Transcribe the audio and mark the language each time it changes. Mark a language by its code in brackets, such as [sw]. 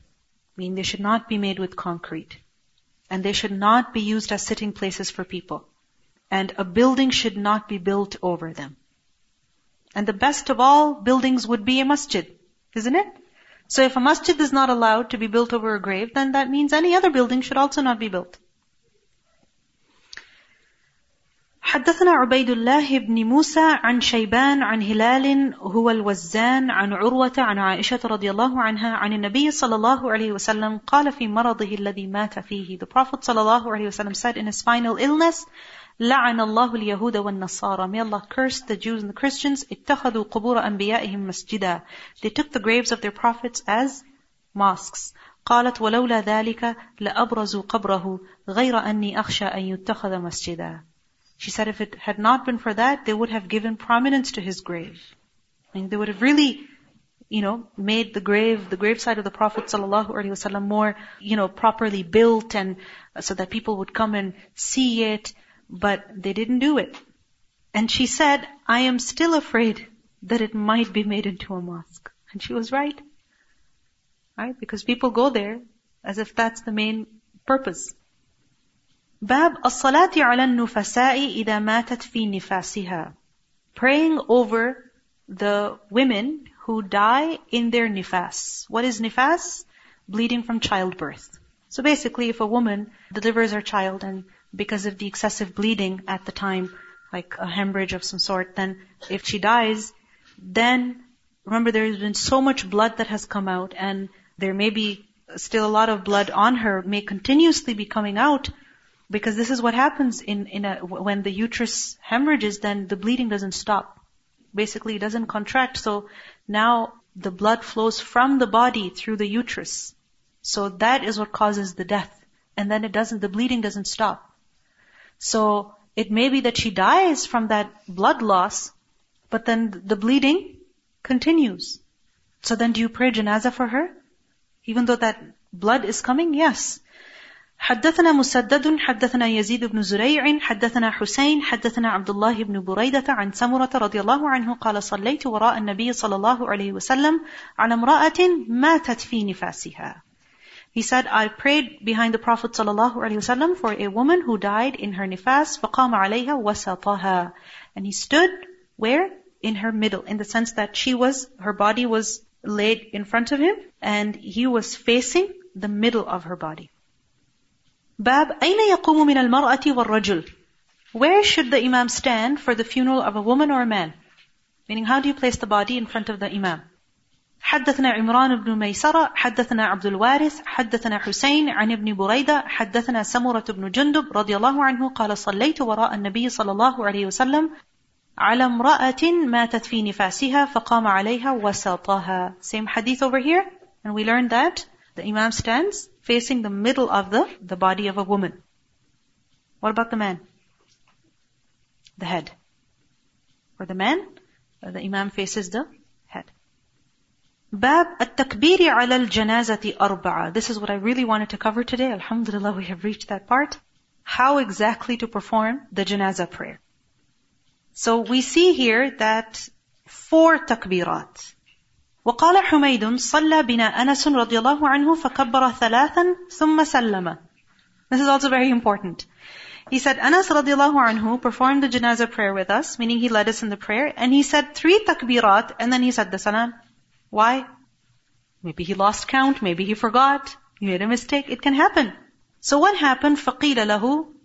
[en] I mean, they should not be made with concrete. And they should not be used as sitting places for people. And a building should not be built over them. And the best of all buildings would be a masjid, isn't it? So if a masjid is not allowed to be built over a grave, then that means any other building should also not be built. [ar] حدثنا عبيد الله بن موسى عن شيبان عن هلال هو الوزان عن عروة عن عائشة رضي الله عنها عن النبي صلى الله عليه وسلم قال في مرضه الذي مات فيه. [en] The Prophet [ar] صلى الله عليه وسلم [en] said in his final illness, [ar] لعن الله اليهود والنصارى. [en] May Allah curse the Jews and the Christians. [ar] اتخذوا قبور أنبيائهم مسجدا. [en] They took the graves of their prophets as mosques. [ar] قالت ولولا ذلك لأبرزوا قبره غير أني أخشى أن يتخذ مسجدا. [en] She said, if it had not been for that, they would have given prominence to his grave. I mean, they would have really, you know, made the graveside of the Prophet sallallahu alaihi wasallam more, you know, properly built, and so that people would come and see it. But they didn't do it. And she said, I am still afraid that it might be made into a mosque. And she was right. Right? Because people go there as if that's the main purpose. [ar] باب الصلاة على النفساء إذا ماتت في نفاسها. [en] Praying over the women who die in their nifas. What is nifas? Bleeding from childbirth. So basically, if a woman delivers her child and because of the excessive bleeding at the time, like a hemorrhage of some sort, then if she dies, then remember there has been so much blood that has come out and there may be still a lot of blood on her, may continuously be coming out. Because this is what happens when the uterus hemorrhages, then the bleeding doesn't stop. Basically, it doesn't contract. So now the blood flows from the body through the uterus. So that is what causes the death. And then the bleeding doesn't stop. So it may be that she dies from that blood loss, but then the bleeding continues. So then do you pray janazah for her? Even though that blood is coming? Yes. [ar] حدثنا مسدد حدثنا يزيد بن زريع حدثنا حسين حدثنا عبد الله بن بريدة عن سمرة رضي الله عنه قال صليت وراء النبي صلى الله عليه وسلم على امرأة ماتت في نفاسها. [en] He said, I prayed behind the Prophet [ar] صلى الله عليه وسلم [en] for a woman who died in her nifas. [ar] فقام عليها وسطها. [en] And he stood where? In her middle. In the sense that her body was laid in front of him and he was facing the middle of her body. [ar] باب أين يقوم من المرأة والرجل. [en] Where should the imam stand for the funeral of a woman or a man? Meaning, how do you place the body in front of the imam? [ar] حدثنا عمران بن ميسرة حدثنا عبد الوارث حدثنا حسين عن ابن بريدة حدثنا سمرة بن جندب رضي الله عنه قال صليت وراء النبي صلى الله عليه وسلم على امرأة ماتت في نفاسها فقام عليها وسطها. [en] Same hadith over here. And we learned that the imam stands facing the middle of the body of a woman. What about the man? The head. For the man, the imam faces the head. [ar] باب التكبير على الجنازة أربعة. [en] This is what I really wanted to cover today. Alhamdulillah, we have reached that part. How exactly to perform the janazah prayer. So we see here that four takbirat. [ar] وقال حميد صلى بنا أنس رضي الله عنه فكبر ثلاثا ثم سلم. [en] This is also very important. He said Anas [ar] رضي الله عنه [en] performed the janazah prayer with us, meaning he led us in the prayer, and he said three takbirat and then he said the salam. Why? Maybe he lost count, maybe he forgot, he made a mistake. It can happen. So what happened? [ar] فقيل له.